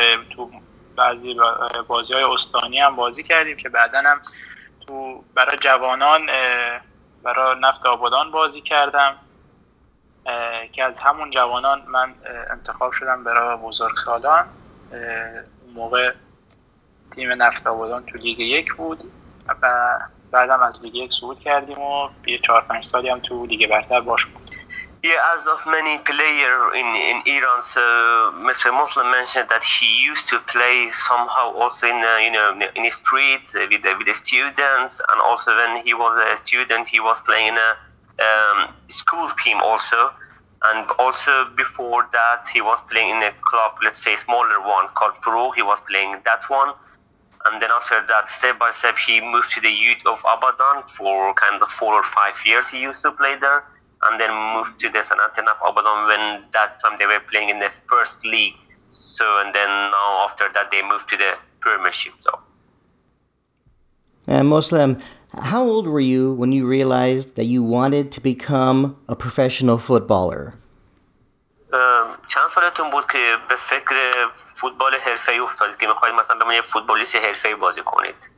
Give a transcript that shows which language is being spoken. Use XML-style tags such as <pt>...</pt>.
<fa>تو بعضی بازی‌های استانی هم بازی کردیم که بعدن هم تو برای جوانان برای نفت آبادان بازی کردم که از همون جوانان من انتخاب شدم برای بزرگسالان. موقع تیم نفت آبادان تو لیگ یک بود و بعدم از لیگ یک صعود کردیم و یه 4-5 سالی هم تو لیگ برتر باش بود.</fa> <en>Yeah, as of many player in Iran, so Mr. Muslim mentioned that he used to play somehow also in you know in the street with the students, and also when he was a student, he was playing in a school team also, and also before that he was playing in a club, let's say smaller one called Furugh. He was playing that one, and then after that, step by step, he moved to the youth of Abadan for kind of 4 or 5 years. He used to play there. And then moved to the Sanatan of Abadan when that time they were playing in the first league. So, and then now after that, they moved to the Premiership. So. And Moslem, how old were you when you realized that you wanted to become a professional footballer?</en> <fa>چند سالتون بود که به فکر فوتبال حرفه‌ای افتادید که می‌خواید مثلا به عنوان یک فوتبالیست حرفه‌ای بازی کنید؟</fa>